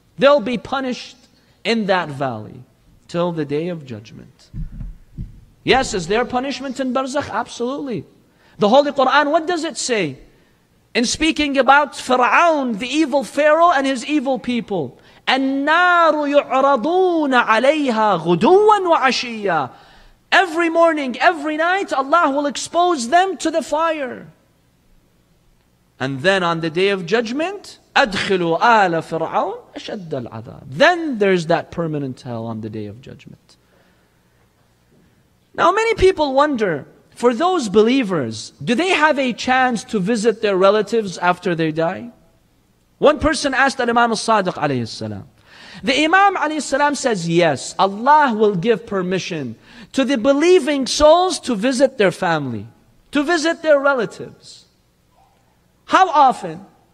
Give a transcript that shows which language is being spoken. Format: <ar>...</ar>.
<en>They'll be punished in that valley till the day of judgment. Yes, is there punishment in Barzakh? Absolutely. The Holy Quran, what does it say? in speaking about Fir'aun, the evil Pharaoh, and his evil people.</en> <ar>النار يعرضون عليها غدوا وعشيا.</ar> <en>Every morning, every night, Allah will expose them to the fire. And then on the day of judgment,</en> <ar>أدخلوا آل فرعون أشد العذاب.</ar> <en>Then there's that permanent hell on the day of judgment. Now many people wonder, for those believers, do they have a chance to visit their relatives after they die? One person asked that Imam al-Sadiq alayhi salam. The Imam alayhi salam says, yes, Allah will give permission to the believing souls to visit their family, to visit their relatives. How often?</en>